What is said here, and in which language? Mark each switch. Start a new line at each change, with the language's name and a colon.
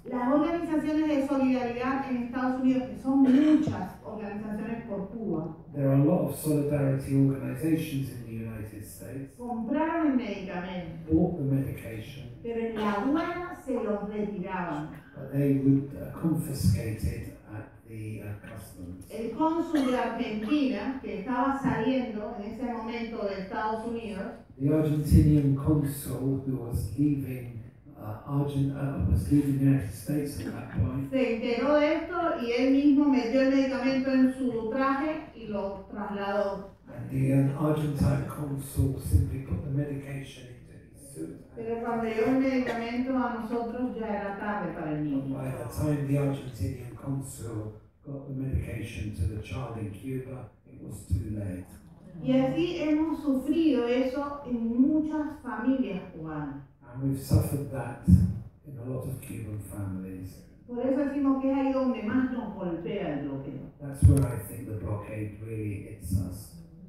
Spanish: Las organizaciones de solidaridad en Estados Unidos, que son muchas organizaciones por Cuba.
English: There are a lot of solidarity organizations in the United States.
Spanish: Compraron el medicamento.
English: Bought the medication.
Spanish: Pero en la aduana se los retiraban.
English: But they would confiscate it at the the customs.
Spanish: El cónsul de Argentina que estaba saliendo en ese momento de Estados Unidos.
English: The Argentinian consul who was leaving was leaving the United States at that point.
Spanish: Se enteró de esto y él mismo metió el medicamento en su traje y lo trasladó.
English: And the Argentine consul simply put the medication into his suit.
Spanish: Pero cuando llegó el medicamento a nosotros ya era tarde para el niño.
English: By the time the Argentinian consul got the medication to the child in Cuba, it was too late.
Spanish: Y así hemos sufrido eso en muchas familias cubanas.
English: And we've suffered that in a lot of Cuban families.
Spanish: Por eso decimos que es ahí donde más nos golpea el bloqueo.
English: That's where I think the blockade really hits us